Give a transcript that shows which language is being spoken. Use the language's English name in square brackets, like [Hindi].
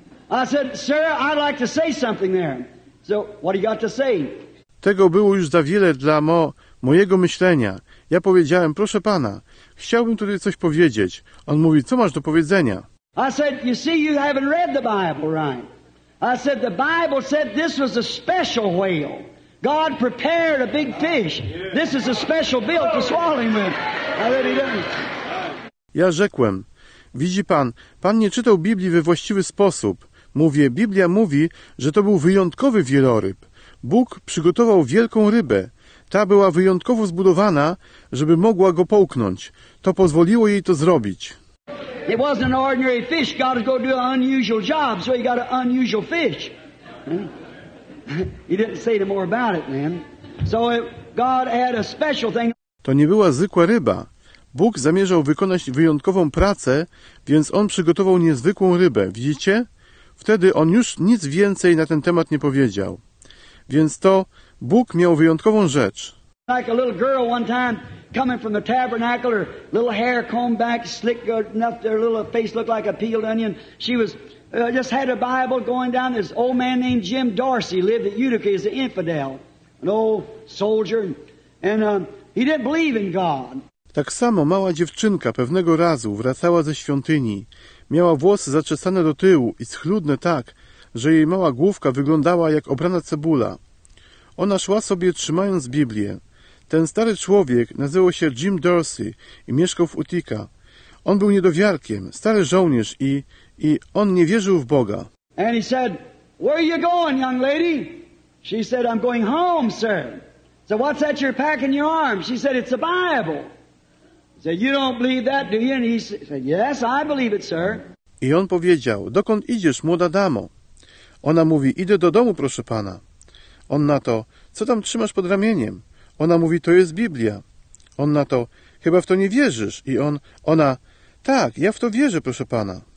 [English] I said, sir, I'd like to say something there. So, what do you got to say? [Polish] Tego było już za wiele dla mojego myślenia. Ja powiedziałem, proszę pana, chciałbym tutaj coś powiedzieć. On mówi, co masz do powiedzenia? [English] I said, you see, you haven't read the Bible right. I said, the Bible said this was a special whale. God prepared a big fish. This is a special bill to swallow him with. I really don't. [Polish] Ja rzekłem, widzi pan nie czytał Biblii we właściwy sposób. Mówię, Biblia mówi, że to był wyjątkowy wieloryb. Bóg przygotował wielką rybę. Ta była wyjątkowo zbudowana, żeby mogła go połknąć. To pozwoliło jej to zrobić. [English] It wasn't an ordinary fish. God was going to do an unusual job, so he got an unusual fish. He didn't say any more about it then. So God had a special thing. [Polish] To nie była zwykła ryba. Bóg zamierzał wykonać wyjątkową pracę, więc on przygotował niezwykłą rybę. Widzicie? Wtedy on już nic więcej na ten temat nie powiedział. Więc to Bóg miał wyjątkową rzecz. [English] Like a little girl one time coming from the tabernacle, her little hair combed back, slick enough, her little face looked like a peeled onion. She was just had a Bible going down. This old man named Jim Darcy lived at Utica. He's an infidel, an old soldier, and he didn't believe in God. [Polish] Tak samo mała dziewczynka pewnego razu wracała ze świątyni. Miała włosy zaczesane do tyłu i schludne tak, że jej mała główka wyglądała jak obrana cebula. Ona szła sobie trzymając Biblię. Ten stary człowiek nazywał się Jim Darcy i mieszkał w Utica. On był niedowiarkiem, stary żołnierz i on nie wierzył w Boga. [English] And he said, where are you going, young lady? She said, I'm going home, sir. So what's that you're packing your arm? She said, it's a Bible. He said, you don't believe that, do you? And he said, yes, I believe it, sir. [Polish] I on powiedział, dokąd idziesz, młoda damo? Ona mówi, idę do domu, proszę pana. On na to, co tam trzymasz pod ramieniem? Ona mówi, to jest Biblia. On na to, chyba w to nie wierzysz. I ona, tak, ja w to wierzę, proszę pana.